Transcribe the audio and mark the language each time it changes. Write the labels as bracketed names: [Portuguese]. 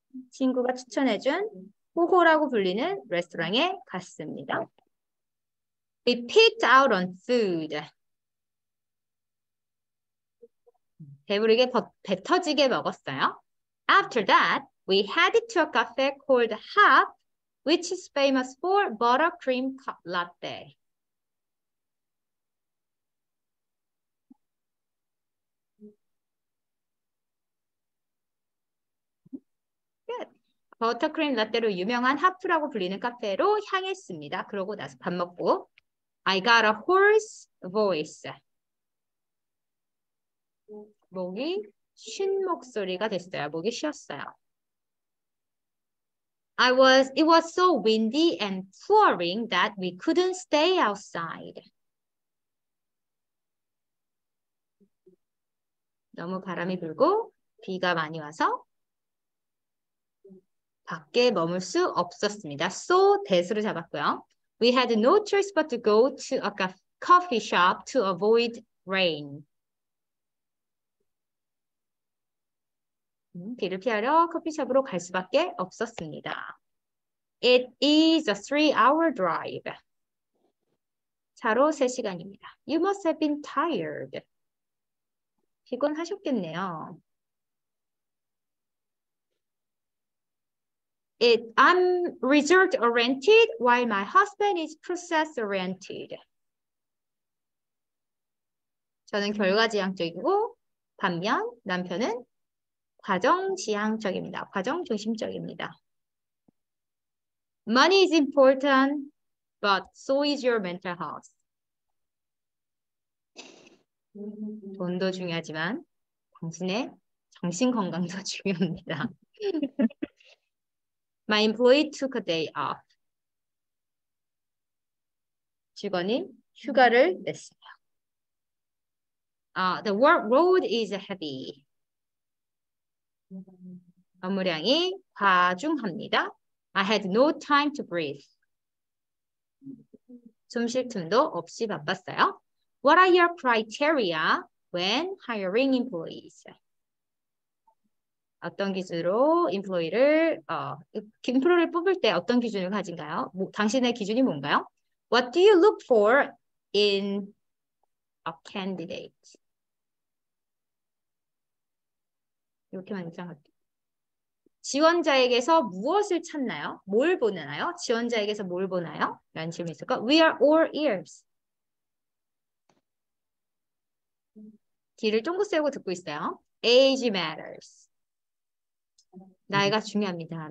[Korean] 친구가 추천해준 호호라고 불리는 레스토랑에 갔습니다. [English] We picked out on food. [Korean] 배부르게 배터지게 먹었어요. [English] After that, we headed to a cafe called Hop, which is famous for buttercream latte. [Korean] 버터크림 라떼로 유명한 하프라고 불리는 카페로 향했습니다. 그러고 나서 밥 먹고 [English] I got a hoarse voice. [Korean] 목이 쉰 목소리가 됐어요. 목이 쉬었어요. [English] It was so windy and pouring that we couldn't stay outside. [Korean] 너무 바람이 불고 비가 많이 와서 밖에 머물 수 없었습니다. [English] So, [Korean] 대수를 잡았고요. [English] We had no choice but to go to a coffee shop to avoid rain. [Korean] 비를 피하려 커피숍으로 갈 수밖에 없었습니다. [English] It is a 3-hour drive. [Korean] 차로 3시간입니다. [English] You must have been tired. [Korean] 피곤하셨겠네요. [English] I'm result oriented while my husband is process oriented. [Korean] 저는 결과지향적이고 반면 남편은 과정지향적입니다. 과정중심적입니다. [English] Money is important, but so is your mental health. [Korean] 돈도 중요하지만 당신의 정신건강도 중요합니다. [English] My employee took a day off. [Korean] 직원이 휴가를 냈어요. [English] The workload is heavy. [Korean] 업무량이 과중합니다. [English] I had no time to breathe. [Korean] 숨쉴 틈도 없이 바빴어요. [English] What are your criteria when hiring employees? [Korean] 어떤 기준으로 인플로이를 뽑을 때 어떤 기준을 가진가요? 당신의 기준이 뭔가요? [English] What do you look for in a candidate? [Korean] 이렇게만 입장할게요. 지원자에게서 무엇을 찾나요? 뭘 보나요? 지원자에게서 뭘 보나요? 라는 질문이 있을까? [English] We are all ears. [Korean] 귀를 쫑긋 세우고 듣고 있어요. [English] Age matters. [Korean] 나이가 중요합니다.